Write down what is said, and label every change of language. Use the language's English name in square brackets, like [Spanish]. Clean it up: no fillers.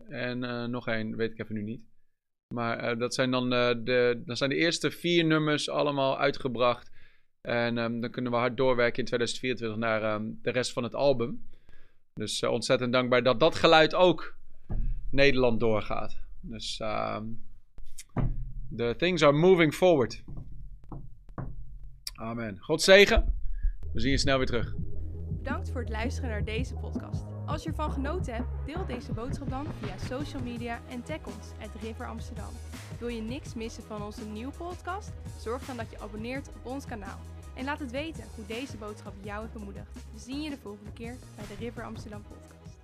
[Dutch] En nog één, weet ik even nu niet. Maar dat zijn dan zijn de eerste 4 nummers allemaal uitgebracht. En dan kunnen we hard doorwerken in 2024 naar de rest van het album. Dus ontzettend dankbaar dat dat geluid ook Nederland doorgaat. [English] Dus the things are moving forward. [Dutch] Amen. God zegen. We zien je snel weer terug. Bedankt voor het luisteren naar deze podcast. Als je ervan genoten hebt, deel deze boodschap dan via social media en tag ons @River Amsterdam. Wil je niks missen van onze nieuwe podcast? Zorg dan dat je abonneert op ons kanaal. En laat het weten hoe deze boodschap jou heeft bemoedigd. We zien je de volgende keer bij de River Amsterdam podcast.